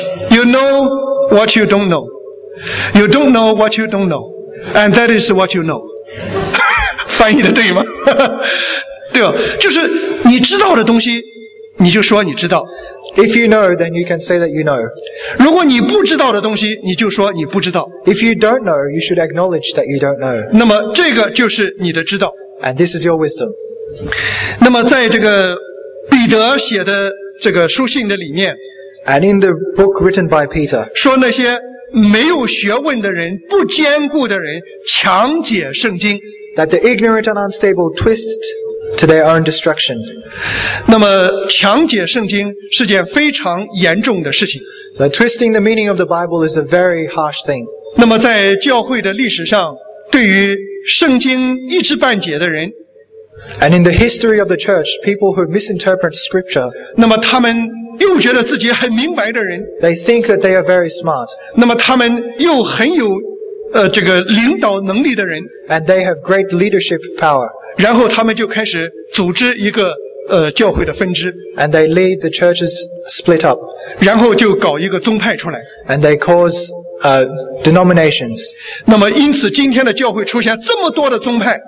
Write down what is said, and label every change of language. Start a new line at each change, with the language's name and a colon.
English: You know what you don't know. You don't know what you don't know. And that is what you know.
Chinese: 翻译的对吗？对吧？就是你知道的东西，你就说你知道。
English: If you know, then you can say that you know.
Chinese: 如果你不知道的东西，你就说你不知道。
English: If you don't know, you should acknowledge that you don't know.
Chinese: 那么这个就是你的知道。
English: And this is your wisdom.
Chinese: 那么在这个彼得写的这个书信的里面，
English: And in the book written by Peter,
Chinese: 说那些没有学问的人，不坚固的人，强解圣经。
English: That the ignorant and unstable twist to their own destruction.
Chinese: 那么强解圣经是件非常严重的事情。
English: So twisting the meaning of the Bible is a very harsh thing.
Chinese: 那么在教会的历史上，对于圣经一知半解的人。
English: And in the history of the church, people who misinterpret scripture.
Chinese: 那么他们又觉得自己很明白的人。
English: They think that they are very smart.
Chinese: 那么他们又很有这个领导能力的人。
English: And they have great leadership power.
Chinese: 然后他们就开始组织一个教会的分支。
English: And they lead the churches split up.
Chinese: 然后就搞一个宗派出来。
English: And they cause denominations.
Chinese: 那么因此今天的教会出现这么多的宗派。